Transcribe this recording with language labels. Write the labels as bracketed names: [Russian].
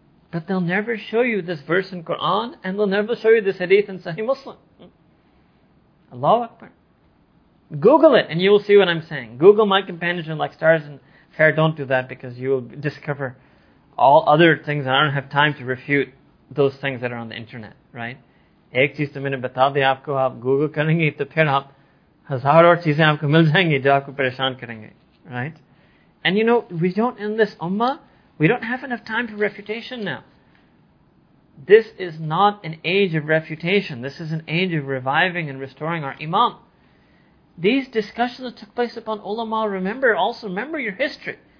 [English] But they'll never show you this verse in Quran, and they'll never show you this hadith in Sahih Muslim. Allahu Akbar. Google it and you will see what I'm saying. Google my companion like stars, and fair, don't do that, because you will discover all other things. I don't have time to refute those things that are on the internet, right? [Urdu] ایک چیز تو میں نے بتا دی آپکو، آپ Google کریں گے تو پھر آپ ہزار اور چیزیں آپکو مل جائیں گی جو آپکو پریشان کریں گے، right? [English] And you know, we don't end this ummah. We don't have enough time for refutation now. This is not an age of refutation. This is an age of reviving and restoring our imam. these discussions that took place upon ulama, remember, also remember your history.